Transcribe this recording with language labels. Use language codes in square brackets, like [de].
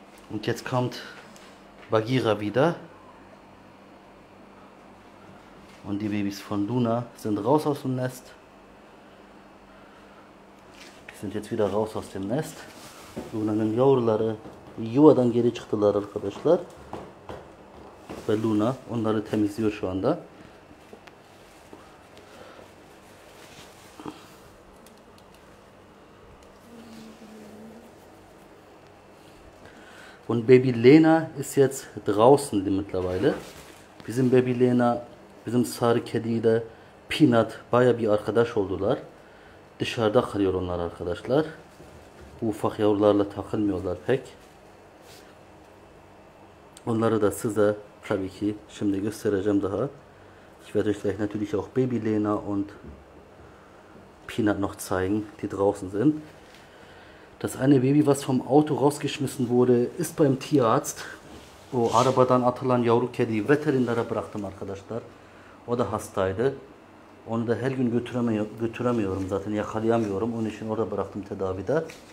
[de] Und jetzt kommt Bagheera wieder. Und die Babys von Luna sind raus aus dem Nest. Die sind jetzt wieder raus aus dem Nest. [tr] Luna'nın yavruları yuvadan geri çıktılar arkadaşlar. Ve Luna onları temizliyor şu anda. [de] Und Baby Lena ist jetzt draußen mittlerweile. [tr] Bizim Baby Lena, bizim sarı kedi de Peanut baya bir arkadaş oldular. Dışarıda kalıyor onlar arkadaşlar. Bu ufak yavrularla takılmıyorlar pek. Onları da size tabii ki şimdi göstereceğim daha. [de] Ich werde euch gleich natürlich auch Baby Lena und Peanut noch zeigen, die draußen sind. Das eine Baby, was vom Auto rausgeschmissen wurde, ist beim Tierarzt. [tr] O arabadan atılan yavru kedi veterinlere bıraktım arkadaşlar. O da hastaydı. Onu da her gün götüremiyorum zaten yakalayamıyorum. Onun için orada bıraktım tedavide.